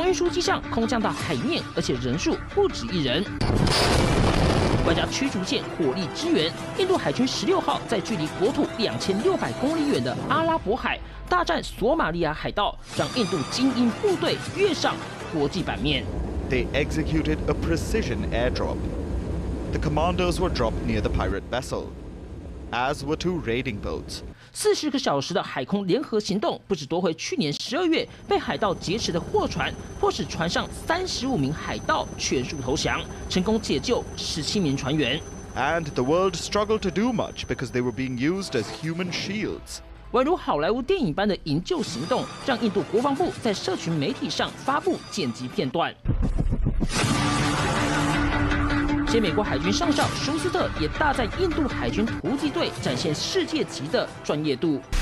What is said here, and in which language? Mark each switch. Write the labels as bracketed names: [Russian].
[Chinese] 机上空降到海面，而且人数不止一人。外加驱逐舰火力支援，印度海军16号在距离国土2600公里远的阿拉伯海大战索马利亚海盗，让印度精英部队跃上国际版面。 [English] They executed a precision airdrop. The commandos were dropped near the pirate vessel, as were two raiding boats. [Chinese] 40个小时的海空联合行动，不止夺回去年12月被海盗劫持的货船，迫使船上35名海盗全数投降，成功解救17名船员。 [English] And the world struggled to do much because they were being used as human shields. [Chinese] 宛如好莱坞电影般的营救行动，让印度国防部在社群媒体上发布剪辑片段。在美国海军上校舒斯特也大赞印度海军突击队展现世界级的专业度。